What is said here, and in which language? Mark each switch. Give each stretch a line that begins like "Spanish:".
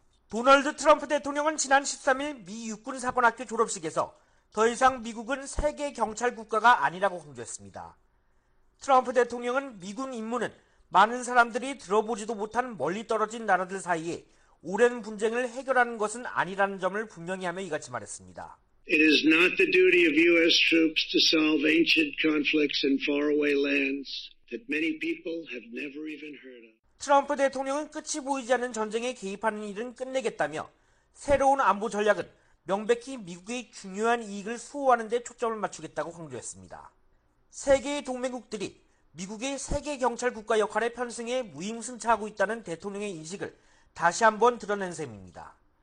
Korean: 도널드 트럼프 대통령은 지난 13일 미 육군사관학교 졸업식에서 더 이상 미국은 세계 경찰 국가가 아니라고 강조했습니다. 트럼프 대통령은 미군 임무는 많은 사람들이 들어보지도 못한 멀리 떨어진 나라들 사이에 오랜 분쟁을 해결하는 것은 아니라는 점을 분명히 하며 이같이 말했습니다.
English: It is not the duty of U.S. troops to solve ancient conflicts in faraway lands that many people have never even heard of.
Korean: 트럼프 대통령은 끝이 보이지 않는 전쟁에 개입하는 일은 끝내겠다며 새로운 안보 전략은 명백히 미국의 중요한 이익을 수호하는 데 초점을 맞추겠다고 강조했습니다. 세계의 동맹국들이 미국의 세계 경찰 국가 역할에 편승해 무임승차하고 있다는 대통령의 인식을 다시 한번 드러낸 셈입니다.